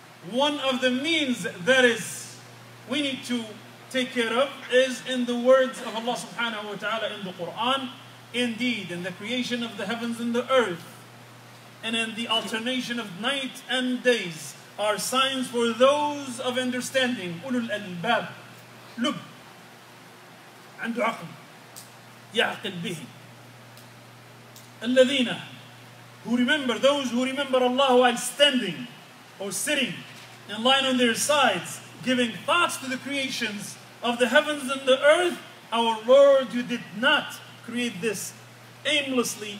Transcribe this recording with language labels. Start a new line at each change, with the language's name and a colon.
English: One of the means that is we need to take care of is in the words of Allah subhanahu wa ta'ala in the Quran, indeed in the creation of the heavens and the earth and in the alternation of night and days are signs for those of understanding.
Arabic: Ulul albab, lub, عنده عقل, يعقل به.
English: الذين, who remember, those who remember Allah while standing or sitting and lying on their sides, giving thoughts to the creations of the heavens and the earth. Our Lord, you did not create this aimlessly.